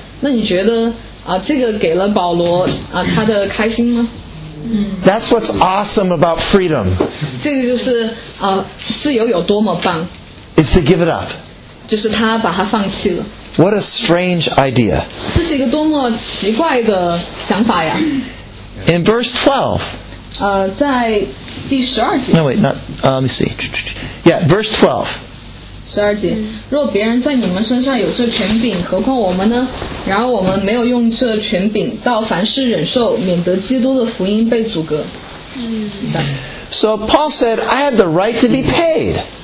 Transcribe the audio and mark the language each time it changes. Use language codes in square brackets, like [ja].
[zh] 那你觉得 这个给了保罗他的开心吗? [en] That's what's awesome about freedom. [zh] 这个就是自由有多么棒。 [en] It's to give it up. [zh] 就是他把它放弃了。 [en] What a strange idea. [zh] 这是一个多么奇怪的想法呀。 [en] In verse 12. [zh] 在第十二节。 [en] No, wait, not, let me see. Yeah, verse 12. [zh] 十二节，若别人在你们身上有这权柄，何况我们呢？然而我们没有用这权柄，倒凡事忍受，免得基督的福音被阻隔。 [en] So Paul said, I had the right to be paid.